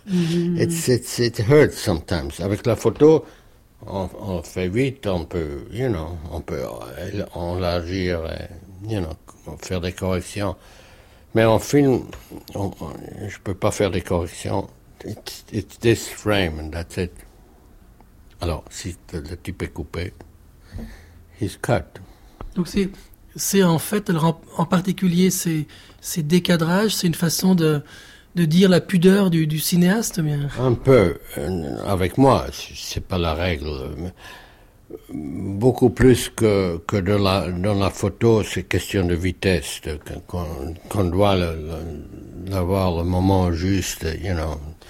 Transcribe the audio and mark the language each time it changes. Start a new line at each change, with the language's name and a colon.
English: It hurts sometimes.
French: Avec la photo, on le fait vite, on peut, you know, on peut enlargir et, you know, faire des corrections. Mais en film, je peux pas faire des corrections.
English: It's this frame and that's it.
French: Alors, si le type est coupé,
English: he's cut.
French: Donc c'est en fait, alors en particulier, ces décadrages, c'est une façon de dire la pudeur du cinéaste, mais... Un peu, avec moi, c'est pas la règle. Beaucoup plus que dans la photo, c'est question de vitesse, qu'on doit avoir le moment juste, you know.